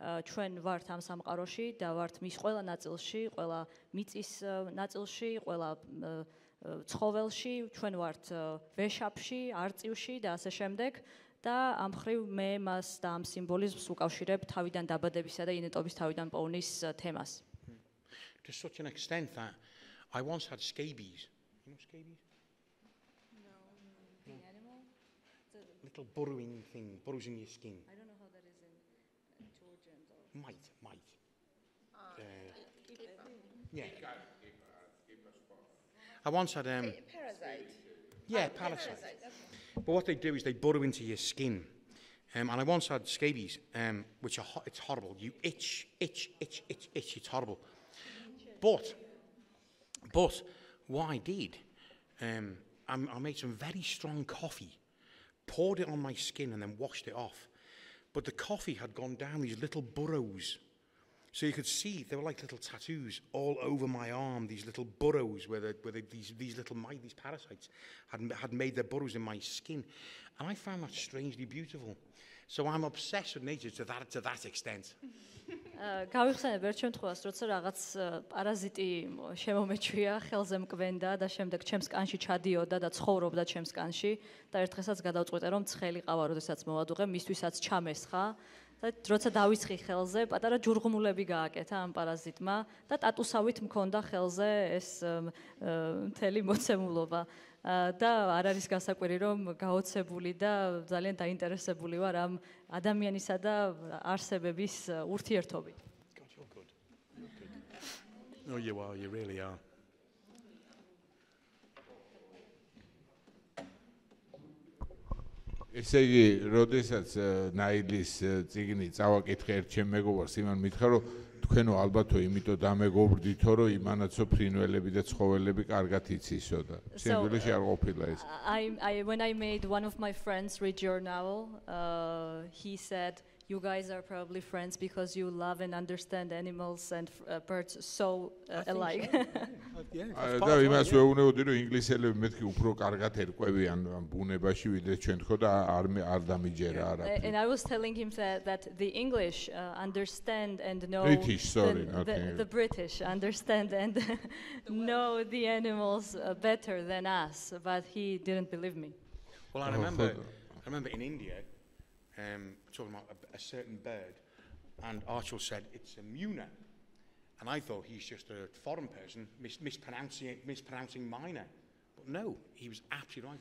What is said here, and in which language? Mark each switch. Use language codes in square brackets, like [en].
[ka] ჩვენ ვართ ამ სამყაროში და ვართ მის ყველა ნაწილში, ყველა მიწის ნაწილში, ყველა ცხოველში, ჩვენ ვართ ვეშაპში, არწივში და ასე შემდეგ. და ამ მხრივ მე მას და ამ სიმბოლიზმს უკავშირებ თავიდან დაბადებისა და ინეტობის თავიდან პოვნის თემას. [en] To such an extent that I once had scabies. You know scabies? No. The animal? It's a little burrowing thing, burrows in your skin. I don't know how that is in Georgian. Though. Might. Yeah. I once had... Parasite. Yeah, parasite. But what they do is they burrow into your skin. And I once had scabies, which are it's horrible. You itch. It's horrible. But what I did, I made some very strong coffee, poured it on my skin and then washed it off. But the coffee had gone down these little burrows. So you could see they were like little tattoos all over my arm, these little burrows where these parasites had made their burrows in my skin. And I found that strangely beautiful. So I'm obsessed with nature to that extent. [ka] გავიხსენებ ერთ შემთხვევას, როცა რაღაც პარაზიტი შემომეჩვია, ხელზე მკვენდა და შემდეგ ჩემს კანში ჩადიოდა და ცხოვრობდა ჩემს კანში და ერთ დღესაც გადავწყვიტე, რომ ცხელი ყავა როდესაც მოვადუღე, მისთვისაც ჩამესხა. Და როცა დავისხი ხელზე, პატარა ჯურღმულები გააკეთა ამ პარაზიტმა და ტატუსავით მქონდა ხელზე ეს მთელი მოცემულობა. Და არ არის გასაკვირი, რომ გაოცებული და ძალიან დაინტერესებული ვარ ამ ადამიანისა და არსებების ურთიერთობით. [en] No, you really are. [ka] ესე იგი, როდესაც ნაილის წიგნი წავაკითხე ერთ ჩემ მეგობარს, იმან მითხრა, რომ თქვენო ალბათო იმითო დამეგობრდითო, რომ იმანაცო ფრინველები და ცხოველები კარგად იცისო და სიმბოლიში არ ყოფილა ეს. [en] When I made one of my friends read your novel, he said, "You guys are probably friends because you love and understand animals and birds so alike." [ka] და იმას ვეუბნებოდი, რომ ინგლისელები მეთქი უფრო კარგად ერკვევიან ამ ბუნებაში, ვიდრე ჩვენ, ხო, და არ დამიჯერა არაფერი. [en] And I was telling him that the English understand and know British, sorry, the British understand and know the animals better than us, but he didn't believe me. Well, I remember in India, talking about a certain bird, and Archil said it's a Muna, and I thought he's just a foreign person mispronouncing minor, but no, he was absolutely right.